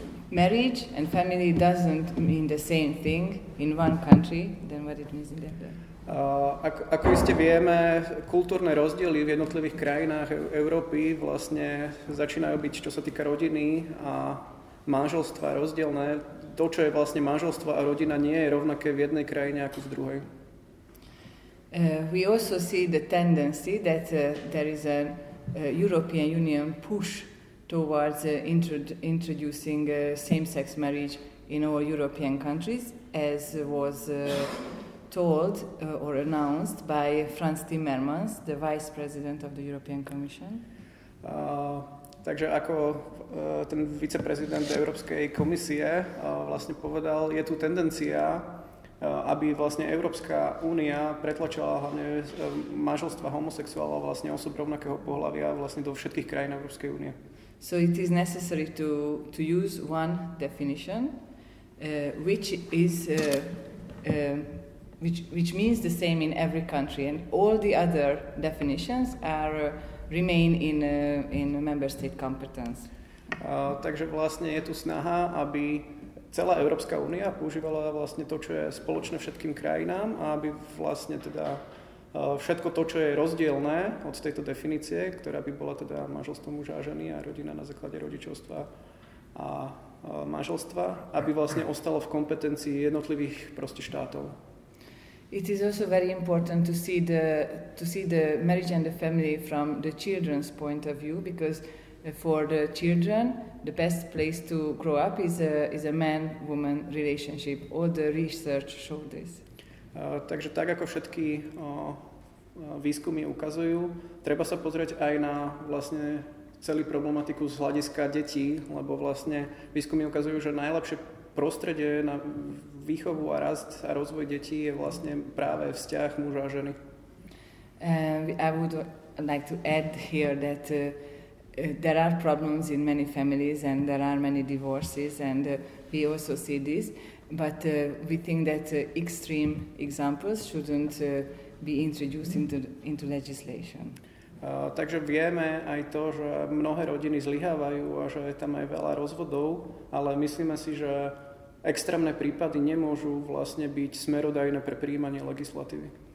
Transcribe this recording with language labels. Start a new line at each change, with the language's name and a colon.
English: Marriage and family doesn't mean the same thing in one country than what it means in the other.
Slovak: Ako iste vieme, kultúrne rozdiely v jednotlivých krajinách Európy vlastne začínajú byť, čo sa týka rodiny a manželstva, rozdielne. To, čo je vlastne manželstvo a rodina, nie je rovnaké v jednej krajine ako v druhej.
English: We also see the tendency that there is a European Union push towards introducing same-sex marriage in all European countries, as was told or announced by Frans Timmermans, the Vice President of the European Commission.
Slovak: Takže ako ten viceprezident Európskej komisie vlastne povedal, je tu tendencia, aby vlastne Európska únia pretlačila hlavne manželstva homosexuála a vlastne osob rovnakého pohlavia vlastne do všetkých krajín Európskej únie.
English: So it is necessary to use one definition which means the same in every country and all the other definitions are remain in member state competence.
Slovak: Takže vlastne je tu snaha, aby celá Európska únia používala vlastne to, čo je spoločné všetkým krajinám a aby vlastne teda všetko to, čo je rozdielne od tejto definície, ktorá by bola teda manželstvo muža a ženy a rodina na základe rodičovstva a manželstva, aby vlastne ostalo v kompetencii jednotlivých proste štátov.
English: It is also very important to see the marriage and the family from the children's point of view because for the children, the best place to grow up is a man-woman relationship. All the research show this.
Slovak: Takže tak, ako všetky výskumy ukazujú, treba sa pozrieť aj na vlastne celý problematiku z hľadiska detí, lebo vlastne výskumy ukazujú, že najlepšie prostredie na výchovu a rast a rozvoj detí je vlastne práve vzťah muža a ženy.
English: I would like to add here that there are problems in many families and there are many divorces and we also see this, but we think that extreme examples shouldn't be introduced into legislation.
Slovak: Takže vieme aj to, že mnohé rodiny zlyhávajú a že je tam aj veľa rozvodov, ale myslíme si, že extrémne prípady nemôžu vlastne byť smerodajné pre prijímanie legislatívy.